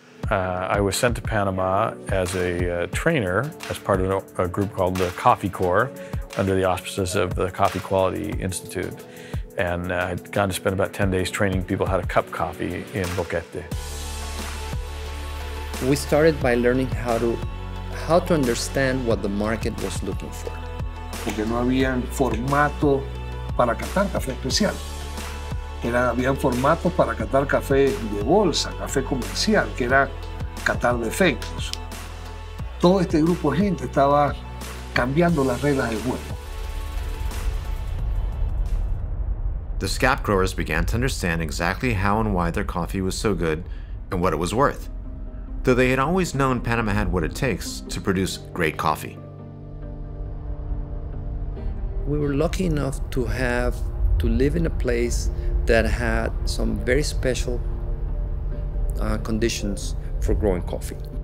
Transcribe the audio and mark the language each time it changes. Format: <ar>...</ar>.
<en>I was sent to Panama as a trainer, as part of a group called the Coffee Corps, under the auspices of the Coffee Quality Institute. And I'd gone to spend about 10 days training people how to cup coffee in Boquete. We started by learning how to understand what the market was looking for.</en> <es>Porque no habían formato para catar café especial. Habían formatos para catar café de bolsa, café comercial, que era catar defectos. Todo este grupo de gente estaba cambiando las reglas del juego.</es> <en>The SCAP growers began to understand exactly how and why their coffee was so good and what it was worth. Though they had always known Panama had what it takes to produce great coffee. We were lucky enough to live in a place that had some very special conditions for growing coffee.</en>